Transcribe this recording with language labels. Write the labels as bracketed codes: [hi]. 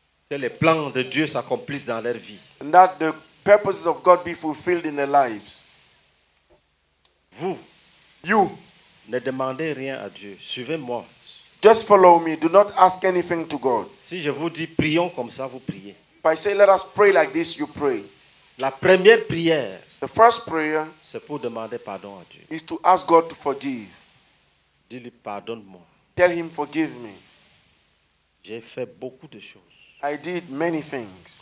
[fr] Que les plans de Dieu s'accomplissent dans leur vie. [en] And that the purposes of God be fulfilled in their lives. [fr] Vous, [en] you, [fr] ne demandez rien à Dieu. Suivez-moi. [en] Just follow me. Do not ask anything to God. [fr] Si je vous dis prions comme ça, vous priez. [en] If I say let us pray like this, you pray. [fr] La première prière, [en] the first prayer, [fr] c'est pour demander pardon à Dieu. [en] Is to ask God to forgive. [fr] Dis-lui pardonne-moi. [en] Tell him forgive me. [fr] J'ai fait beaucoup de choses. [en] I did many things.